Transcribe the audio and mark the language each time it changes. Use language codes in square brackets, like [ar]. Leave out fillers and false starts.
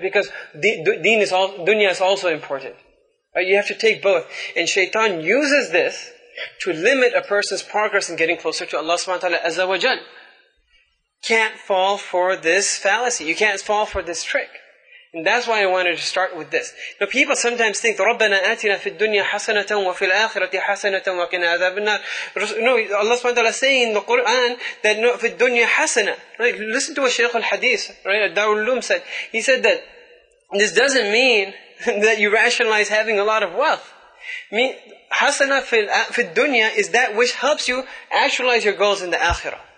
[en] Because deen is all, dunya is also important. Right? You have to take both. And shaitan uses this to limit a person's progress in getting closer to Allah subhanahu wa ta'ala azza wa jal. Can't fall for this fallacy. You can't fall for this trick. And that's why I wanted to start with this. Now people sometimes think, [ar] رَبَّنَا آتِنَا فِي الدُّنْيَا حَسَنَةً وَفِي الْآخِرَةِ حَسَنَةً وَقِنَا عَذَابَ النَّارِ. [en] No, Allah subhanahu wa ta'ala is saying in the Qur'an that no, [ar] فِي الدُّنْيَا حَسَنَةً. [en] Right? Listen to what Shaykh al-Hadith, right? Darul Uloom said. He said that this doesn't mean that you rationalize having a lot of wealth. [ar] حَسَنَةً فِي الدُّنْيَا [en] is that which helps you actualize your goals in the Akhirah.